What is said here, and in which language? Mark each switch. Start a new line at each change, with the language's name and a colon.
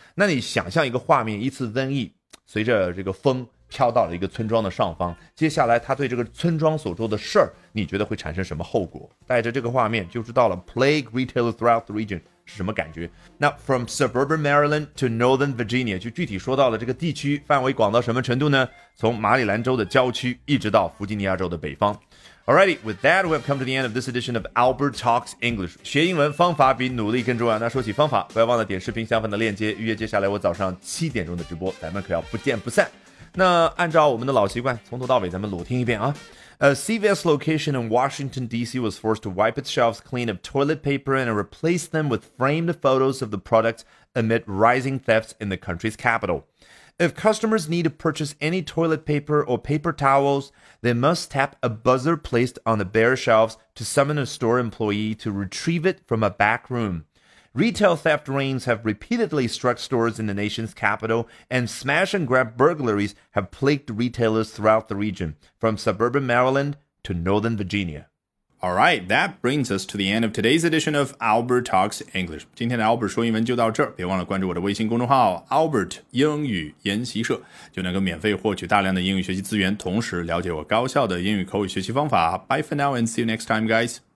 Chinese: 那你想象一个画面，一次瘟疫随着这个风飘到了一个村庄的上方，接下来他对这个村庄所做的事儿，你觉得会产生什么后果？带着这个画面就知道了
English: plague retailers throughout the region
Chinese: 是什么感觉。那
English: from suburban Maryland to northern Virginia
Chinese: 就具体说到了这个地区范围广到什么程度呢？从马里兰州的郊区一直到弗吉尼亚州的北方。
English: Alrighty, with that, we have come to the end of this edition of Albert Talks English.
Chinese: 学英文方法比努力更重要。那说起方法，不要忘了点视频下方的链接，预约接下来我早上7点的直播，咱们可要不见不散。那按照我们的老习惯，从头到尾咱们裸听一遍啊。
English: A CVS location in Washington, D.C. was forced to wipe its shelves clean of toilet paper and replace them with framed photos of the product amid rising thefts in the country's capital. If customers need to purchase any toilet paper or paper towels, they must tap a buzzer placed on the bare shelves to summon a store employee to retrieve it from a back room. Retail theft rings have repeatedly struck stores in the nation's capital, and smash-and-grab burglaries have plagued retailers throughout the region, from suburban Maryland to northern Virginia. All right, that brings us to the end of today's edition of Albert Talks English.
Chinese: 今天的 Albert 说英文就到这儿，别忘了关注我的微信公众号 Albert 英语研习社，就能够免费获取大量的英语学习资源，同时了解我高效的英语口语学习方法。
English: Bye for now and see you next time, guys.